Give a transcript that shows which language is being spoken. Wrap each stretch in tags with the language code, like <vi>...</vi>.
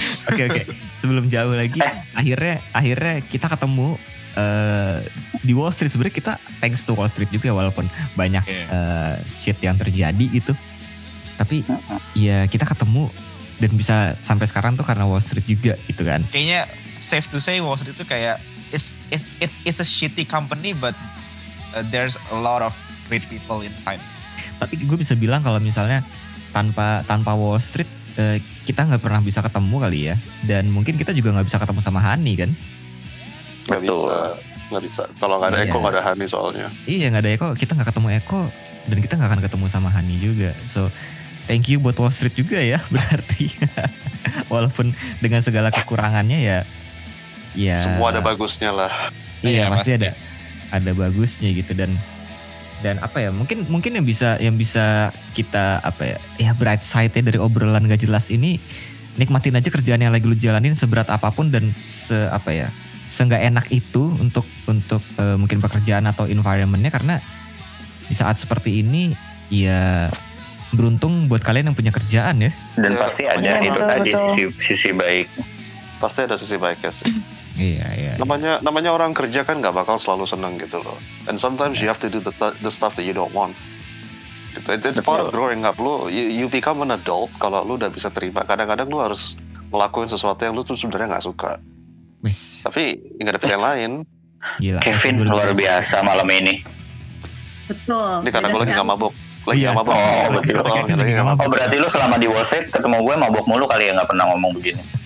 <id>Oke. Sebelum jauh lagi, akhirnya kita ketemu di Wall Street. Sebenarnya kita</id> <en>thanks to</en> <id>Wall Street juga, walaupun banyak shit yang terjadi gitu. Tapi ya kita ketemu dan bisa sampai sekarang tuh karena Wall Street juga gitu kan. Kayaknya</id> <en>safe to say Wall Street</en> <id>tuh kayak</id> <en>it's a shitty company, but there's a lot of great people inside.</en> <id>Tapi gue bisa bilang kalau misalnya tanpa Wall Street kita gak pernah bisa ketemu kali ya. Dan mungkin kita juga gak bisa ketemu sama Hani kan. Gak bisa. Kalau gak ada Eko gak ada Hani soalnya. Iya gak ada Eko, kita gak ketemu Eko. Dan kita gak akan ketemu sama Hani juga.</id> <en>So thank you</en> <id>buat Wall Street juga ya. Berarti walaupun dengan segala kekurangannya ya, ya semua ada bagusnya lah. Iya pasti ya, ada bagusnya gitu. Dan apa ya, mungkin yang bisa kita apa ya, ya</id> <en>bright side</en> <id>ya dari obrolan gak jelas ini, nikmatin aja kerjaan yang lagi lu jalanin seberat apapun dan se apa ya, seenggak enak itu untuk mungkin pekerjaan atau environmentnya, karena di saat seperti ini ya beruntung buat kalian yang punya kerjaan ya. Dan pasti ada itu tadi sisi baik. Pasti ada sisi baiknya sih. Iya. Namanya orang kerja kan nggak bakal selalu senang gitu loh.</id> <en>And sometimes you have to do the stuff that you don't want. It's part of growing up. You become an adult</en> <id>kalau lu udah bisa terima. Kadang-kadang lu harus melakukan sesuatu yang lu tuh sebenarnya nggak suka.</id> <en>Wish.</en> <id>Tapi nggak ada pilihan lain. Gila, Kevin luar biasa malam ini. Betul. Ini karena gue lagi nggak mabuk. Oh berarti lu selama di Wall Street ketemu gue mabuk mulu kali ya, nggak pernah ngomong begini.</id>